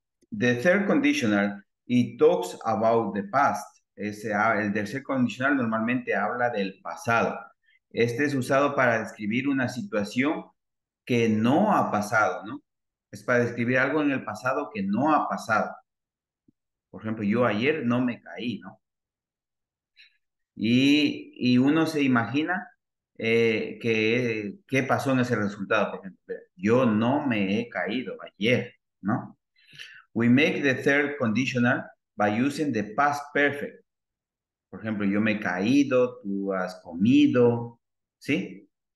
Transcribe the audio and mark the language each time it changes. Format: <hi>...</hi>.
<en>The third conditional, it talks about the past.</en> <es>El tercer condicional normalmente habla del pasado. Este es usado para describir una situación que no ha pasado, ¿no? Es para describir algo en el pasado que no ha pasado. Por ejemplo, yo ayer no me caí, ¿no? Y uno se imagina qué pasó en ese resultado. Por ejemplo, yo no me he caído ayer, ¿no?</es> <en>We make the third conditional by using the past perfect.</en> <es>Por ejemplo, yo me he caído, tú has comido, ¿sí?</es>